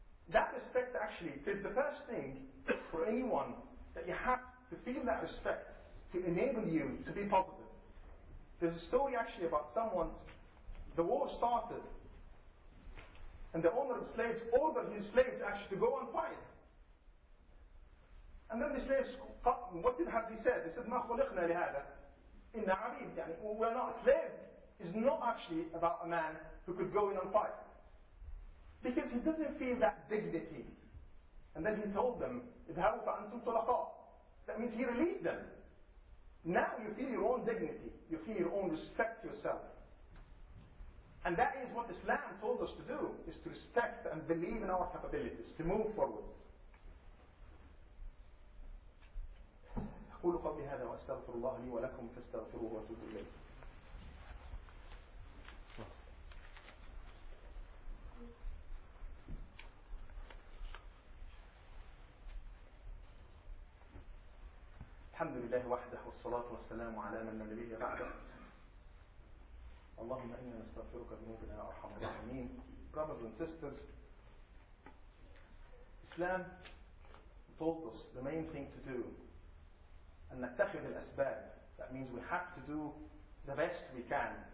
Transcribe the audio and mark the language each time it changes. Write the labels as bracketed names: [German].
[English] That respect actually is the first thing for anyone that you have to feel that respect to enable you to be positive. There's a story actually about someone, the war started, and the owner of slaves ordered his slaves actually to go and fight. And then the slaves, what did they say? [Arabic] They said, مَا خُلِقْنَا لِهَذَا إِنَّ عَبِيدٍ. [English] Yani, we are not a slave. Is not actually about a man who could go in and fight. Because he doesn't feel that dignity. And then he told them, [Arabic] اِذْهَرُوا فَأَنْتُمْ طُلَقَاءُ. [English] That means he released them. Now you feel your own dignity. You feel your own respect to yourself. And that is what Islam told us to do, is to respect and believe in our capabilities, to move forward. [Arabic] أقول قبل هذا وأستغفر الله لي ولكم فاستغفروه وتوبوا إليه. الحمد لله وحده والصلاة والسلام على من لا نبي بعده. اللهم إنا نستغفرك ذنوبنا يا أرحم الراحمين. [English] Brothers and sisters, Islam told us the main thing to do. [Arabic] أن نتخذ الأسباب. [English] That means we have to do the best we can.